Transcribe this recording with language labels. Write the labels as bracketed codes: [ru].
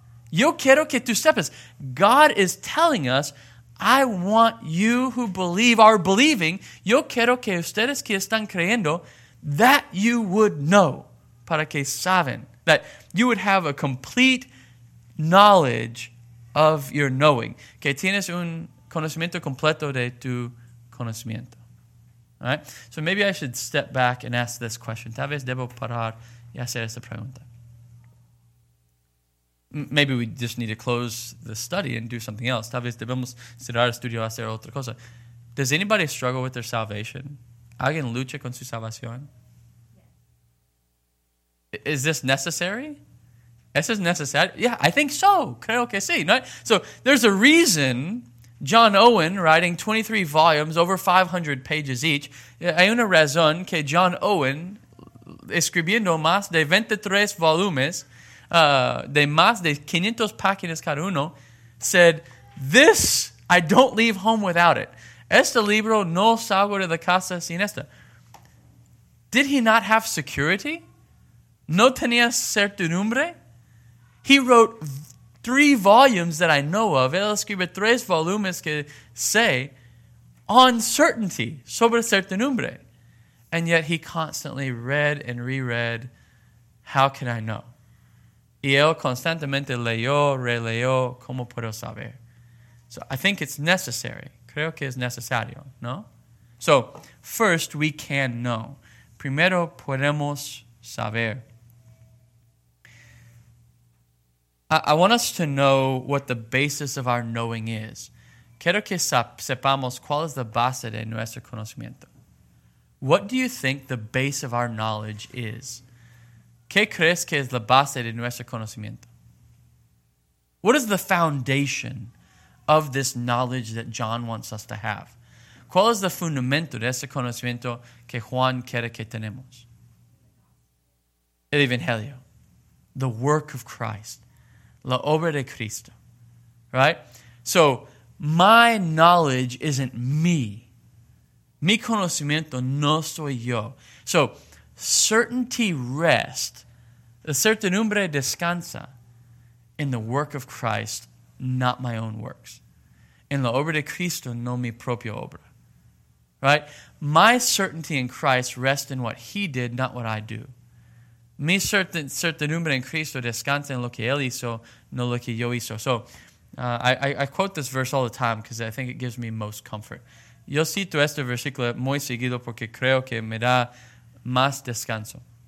[es] Yo quiero que tú sepas. [en] God is telling us, I want you who believe are believing. [es] Yo quiero que ustedes que están creyendo, [en] that you would know. [es] Para que saben. [en] That you would have a complete knowledge of your knowing. [es] Que tienes un conocimiento completo de tu conocimiento. [en] All right? So maybe I should step back and ask this question. [es] Tal vez debo parar y hacer esta pregunta. [en] maybe we just need to close the study and do something else. [es] Tal vez debemos cerrar el estudio y hacer otra cosa. [en] Does anybody struggle with their salvation? [es] ¿Alguien lucha con su salvación? [en] Yeah. Is this necessary? ¿Es this necessary? Yeah, I think so. [es] Creo que sí. [en] No? So there's a reason John Owen, writing 23 volumes, over 500 pages each, [es] hay una razón que John Owen, escribiendo más de 23 volumes, de más de 500 páginas cada uno, [en] said, this, I don't leave home without it. [es] Este libro no salgo de la casa sin esta. [en] Did he not have security? [es] ¿No tenía certidumbre? [en] He wrote three volumes that I know of. [es] Él escribe tres volumes que sé [en] on certainty, [es] sobre certidumbre. [en] And yet he constantly read and reread, how can I know? [es] Y él constantemente leyó, releyó, ¿cómo puedo saber? [en] So I think it's necessary. [es] Creo que es necesario, ¿no? [en] So, first, we can know. [es] Primero, podemos saber. [en] I want us to know what the basis of our knowing is. [es] Quiero que sepamos cuál es la base de nuestro conocimiento. [en] What do you think the base of our knowledge is? [es] ¿Qué crees que es la base de nuestro conocimiento? [en] What is the foundation of this knowledge that John wants us to have? [es] ¿Cuál es el fundamento de ese conocimiento que Juan quiere que tenemos? El Evangelio. [en] The work of Christ. [es] La obra de Cristo. Right? [en] So, my knowledge isn't me. [es] Mi conocimiento no soy yo. [en] So, certainty rest. [es] La certidumbre descansa [en] in the work of Christ, not my own works. [es] En la obra de Cristo, no mi propia obra. [en] Right? My certainty in Christ rests in what he did, not what I do. [es] Mi certidumbre en Cristo descansa en lo que él hizo, no lo que yo hizo. [en] So, I quote this verse all the time because I think it gives me most comfort. [es] Yo cito este versículo muy seguido porque creo que me da más descanso.